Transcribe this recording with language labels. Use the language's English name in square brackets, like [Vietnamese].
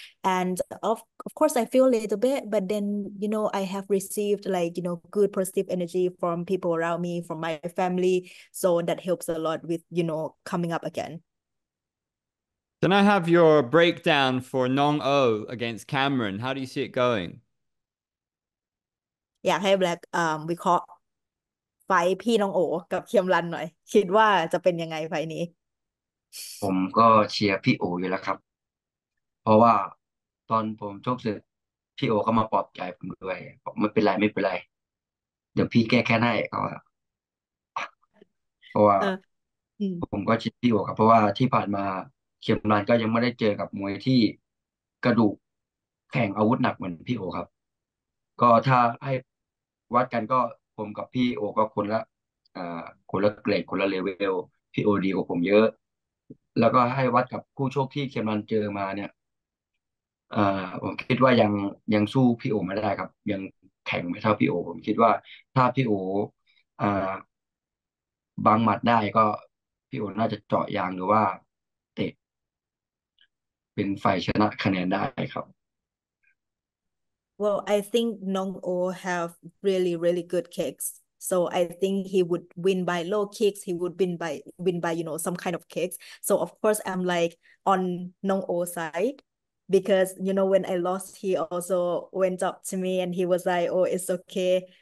[English] And of course, I feel a little bit, but then, I have received good positive energy from people around me, from my family. So that helps a lot with, coming up again. Then I have your breakdown for Nong O against Cameron. How do you see it going? [Thai] อยากให้แบล็ควิเคราะห์ไฟพี่น้องโอ๋กับเคียมรันหน่อยคิดว่าจะเป็นยังไงไฟนี้ ผมก็เชียร์พี่โออยู่แล้วครับเพราะว่าตอนผมชกเสร็จพี่โอก็มาปลอบใจผมด้วยบอกไม่เป็นไรไม่เป็นไรเดี๋ยวพี่แก้แค้นให้ก็ เพราะว่าผมก็เชียร์พี่โอครับเพราะว่าที่ผ่านมาเคียมรันก็ยังไม่ได้เจอกับมวยที่กระดูกแข็งอาวุธหนักเหมือนพี่โอครับก็ถ้าให้วัดกันก็ผมกับพี่โอก็คนละเกรดคนละเลเวลพี่โอดีกว่าผมเยอะแล้วก็ให้วัดกับคู่โชคที่เคียมรันเจอมาเนี่ย ผมคิดว่ายังสู้พี่โอไม่ได้ครับยังแข็งไม่เท่าพี่โอผมคิดว่าถ้าพี่โอบังหมัดได้ก็พี่โอน่าจะเจาะยางหรือว่าเป็นฝ่ายชนะคะแนนได้ครับ [English] Well, I think Nong O have really, really good kicks. So I think he would win by low kicks. He would win by, some kind of kicks. So of course I'm like on Nong O side because when I lost, he also went up to me and he was like, "Oh, it's okay.